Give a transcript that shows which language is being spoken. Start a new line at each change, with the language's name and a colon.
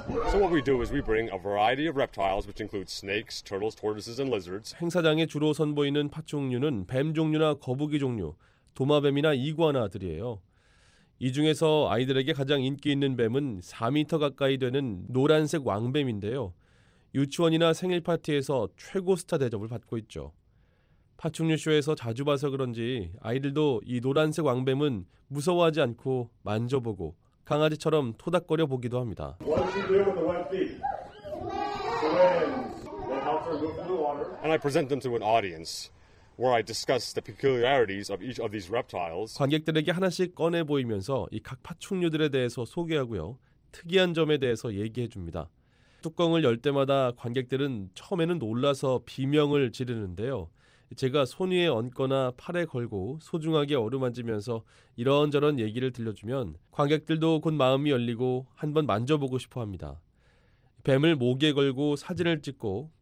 English: So what we do is we bring a variety of reptiles, which include snakes, turtles, tortoises, and lizards.
Korean: 행사장에 주로 선보이는 파충류는 뱀 종류나 거북이 종류, 도마뱀이나 이구아나들이에요. 이 중에서 아이들에게 가장 인기 있는 뱀은 4m 가까이 되는 노란색 왕뱀인데요. 유치원이나 생일 파티에서 최고 스타 대접을 받고 있죠. 파충류 쇼에서 자주 봐서 그런지 아이들도 이 노란색 왕뱀은 무서워하지 않고 만져보고 강아지처럼 토닥거려 보기도 합니다.
English: What is he doing with the white feet? Swim. That helps her go through the water. And I present them to an audience. Where I discuss the peculiarities of each of these reptiles.
Korean: 관객들에게 하나씩 꺼내 보이면서 이 각 파충류들에 대해서 소개하고요. 특이한 점에 대해서 얘기해 줍니다. 뚜껑을 열 때마다 관객들은 처음에는 놀라서 비명을 지르는데요. 제가 손 위에 얹거나 팔에 걸고 소중하게 어루만지면서 이런저런 얘기를 들려주면 관객들도 곧 마음이 열리고 한번 만져보고 싶어 합니다. 뱀을 목에 걸고 사진을 찍고